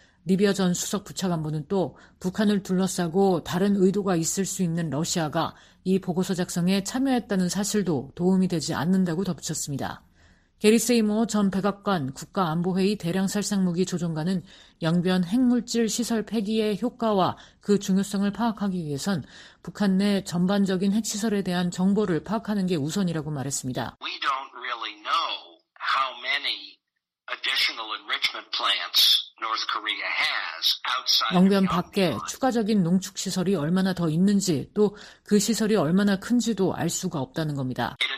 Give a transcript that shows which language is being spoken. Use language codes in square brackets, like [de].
[ko] 리비어 전 수석 부차관보는 또 북한을 둘러싸고 다른 의도가 있을 수 있는 러시아가 이 보고서 작성에 참여했다는 사실도 도움이 되지 않는다고 덧붙였습니다. 게리 세이모 전 백악관 국가안보회의 대량살상무기 조종관은 영변 핵물질 시설 폐기의 효과와 그 중요성을 파악하기 위해선 북한 내 전반적인 핵시설에 대한 정보를 파악하는 게 우선이라고 말했습니다. [en] We don't really know how many additional enrichment plants North Korea has outside. [ko] 영변 밖에 추가적인 농축시설이 얼마나 더 있는지 또 그 시설이 얼마나 큰지도 알 수가 없다는 겁니다.